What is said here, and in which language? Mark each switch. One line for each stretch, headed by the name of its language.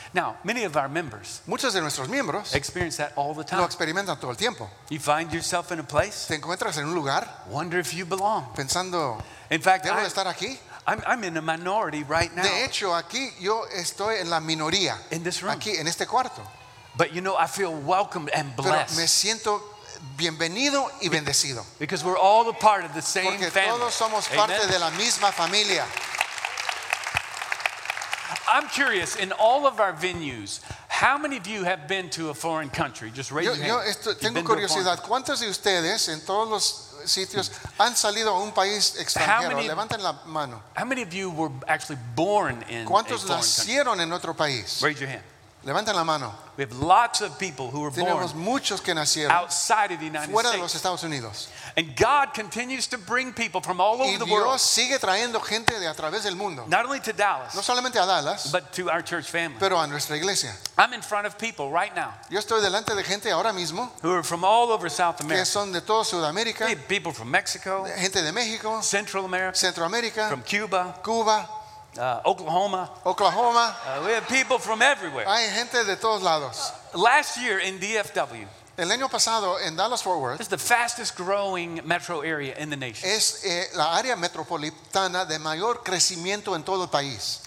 English: Now, many of our members.
Spanish: Muchos de nuestros miembros.
English: Experience that all the time.
Spanish: Lo experimentan todo el tiempo.
English: You find yourself in a place.
Spanish: Te encuentras en un lugar.
English: Wonder if you belong.
Spanish: Pensando.
English: In fact,
Spanish: debo estar aquí.
English: I'm in a minority right now.
Spanish: De hecho, aquí yo estoy en la minoría.
English: In this room.
Spanish: Aquí en este cuarto.
English: But you know, I feel welcomed and blessed.
Spanish: Pero me siento bienvenido y bendecido.
English: Because we're all a part of the same
Spanish: porque
English: family.
Spanish: Todos somos parte de la misma familia.
English: I'm curious, in all of our venues, how many of you have been to a foreign country? Just raise your hand.
Spanish: Yo tengo curiosidad. ¿Cuántos de ustedes en todos los sitios han salido a un país extranjero? Levanten la mano.
English: How many of you were actually born in a foreign country?
Spanish: ¿Cuántos nacieron en otro país?
English: Raise your hand.
Spanish: Levanten la mano.
English: We have lots of people who were
Spanish: Tenemos
English: born
Spanish: muchos que nacieron
English: outside of the United
Spanish: fuera
English: States.
Spanish: De los Estados Unidos.
English: And God continues to bring people from all
Spanish: y
English: over
Spanish: Dios
English: the world.
Spanish: Sigue trayendo gente de a través del mundo.
English: Not only to Dallas,
Spanish: no solamente a Dallas,
English: but to our church family.
Spanish: Pero a nuestra iglesia.
English: I'm in front of people right now.
Spanish: Yo estoy delante de gente ahora mismo
English: who are from all over South America.
Spanish: Que son de toda Sudamérica.
English: People from Mexico.
Spanish: Gente de México.
English: Central America.
Spanish: Centroamérica.
English: From Cuba.
Spanish: Cuba.
English: Oklahoma.
Spanish: Oklahoma.
English: We have people from everywhere.
Spanish: Hay gente de todos lados.
English: Last year in DFW.
Spanish: El año pasado en Dallas-Fort Worth.
English: This is the fastest growing metro area in the nation.
Spanish: Es la área metropolitana de mayor crecimiento en todo el país.